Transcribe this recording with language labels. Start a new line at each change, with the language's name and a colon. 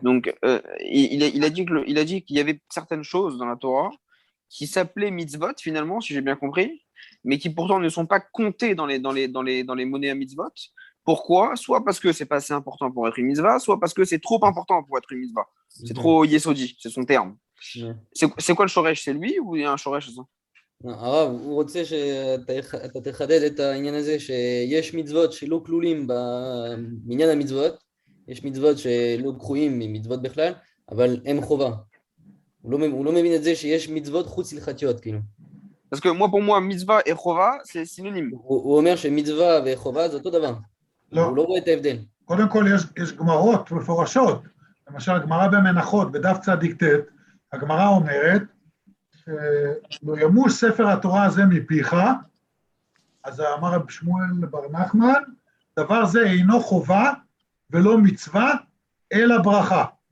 French: Donc, il a dit qu'il y avait certaines choses dans la Torah qui s'appelaient mitzvot, finalement, si j'ai bien compris, mais qui pourtant ne sont pas comptées dans les monnaies à mitzvot. Pourquoi? Soit parce que c'est pas assez important pour être une mitzvah, soit parce que c'est trop important pour être une mitzvah. C'est trop yesodi, c'est son terme. Ouais. C'est quoi le shoresh? C'est lui ou il y a un shoresh?
Hebrew: הרב, הוא רוצה שאתה תחדד את העניין הזה שיש מצוות שלא כלולים במניין המצוות, יש מצוות שלא קחויים ממצוות בכלל, אבל הם חובה. הוא לא מבין את זה שיש מצוות חוץ הלכתיות, כאילו.
French: Parce que moi, pour moi, מצווה et חובה, c'est synonyme.
Hebrew: הוא אומר שמצווה וחובה זה אותו דבר. לא. הוא לא רואה את ההבדל. קודם כל, יש גמרות מפורשות. למשל, הגמרה במנחות, בדף צדיק ט', הגמרה אומרת, לא ימוש ספר התורה הזה מפיך, אז אמר רב שמואל בר נחמן, דבר זה אינו חובה ולא מצווה, אלא ברכה.